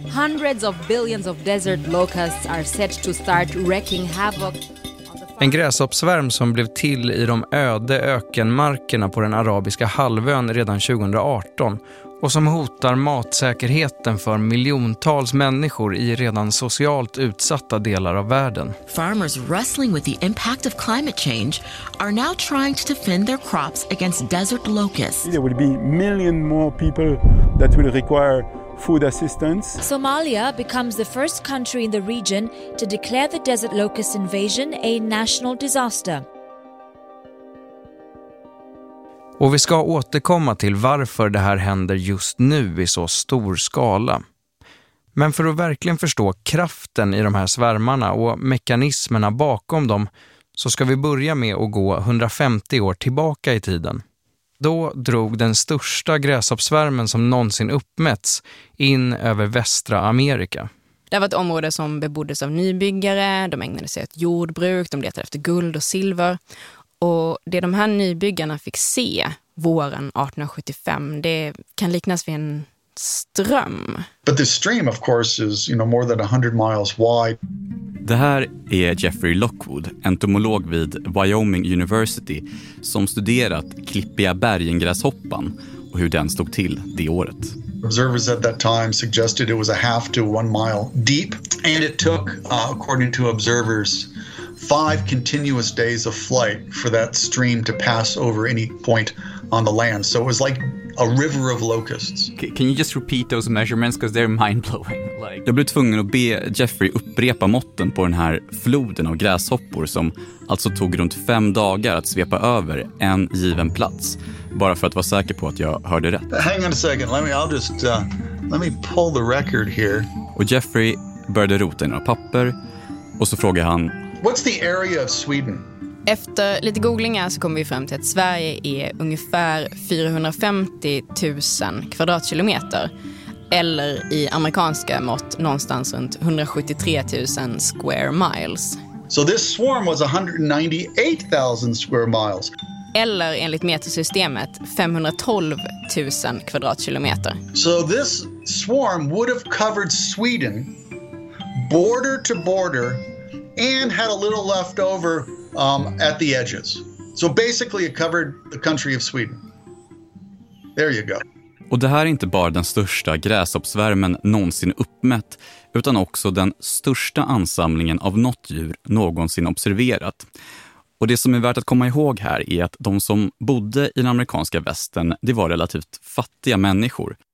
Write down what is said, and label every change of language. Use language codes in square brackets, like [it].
[en] Hundreds of billions of desert locusts are set to start wreaking havoc. [sv] En gräshoppsvärm som blev till i de öde ökenmarkerna på den arabiska halvön redan 2018 och som hotar matsäkerheten för miljontals människor i redan socialt utsatta delar av världen. [en] Farmers wrestling with the impact of climate change are now trying to defend their crops against desert locusts. There will be million more people that will require food assistance. Somalia becomes the first country in the region to declare the desert locust invasion a national disaster. [sv] Och vi ska återkomma till varför det här händer just nu i så stor skala. Men för att verkligen förstå kraften i de här svärmarna och mekanismerna bakom dem så ska vi börja med att gå 150 år tillbaka i tiden. Då drog den största gräshoppsvärmen som någonsin uppmätts in över västra Amerika. Det var ett område som beboddes av nybyggare, de ägnade sig åt jordbruk, de letade efter guld och silver. Och det de här nybyggarna fick se våren 1875, det kan liknas vid en ström. [en] But this stream of course is, you know, more than 100 miles wide. [sv] Det här är Jeffrey Lockwood, entomolog vid Wyoming University, som studerat klippiga bergengräshoppan och hur den stod till det året. [en] Observers at that time suggested it was a half to one mile deep, and it took, according to observers, 5 continuous days of flight for that stream to pass over any point on the land. So it was like a river of locusts. Can you just repeat those measurements, because they're mind-blowing? [sv] Jag blev tvungen att be Jeffrey upprepa måtten på den här floden av gräshoppor som alltså tog runt 5 dagar att svepa över en given plats, bara för att vara säker på att jag hörde rätt. [en] Hang on a second, let me pull the record here. [sv] Och Jeffrey började rota i några papper och så frågade han: [en] What's the area of Sweden? [sv] Efter lite googlingar så kommer vi fram till att Sverige är ungefär 450 000 kvadratkilometer. Eller i amerikanska mått någonstans runt 173 000 square miles. [en] So this swarm was 198 000 square miles. [sv] Eller enligt metersystemet 512 000 kvadratkilometer. [en] So this swarm would have covered Sweden border to border and had a little left over at the edges. So basically it covered the country of Sweden. There you go. [sv] Och det här är inte bara den största gräshoppsvärmen någonsin uppmätt, utan också den största ansamlingen av något djur någonsin observerat. Och det som är värt att komma ihåg här är att de som bodde i den amerikanska västern, det var relativt fattiga människor.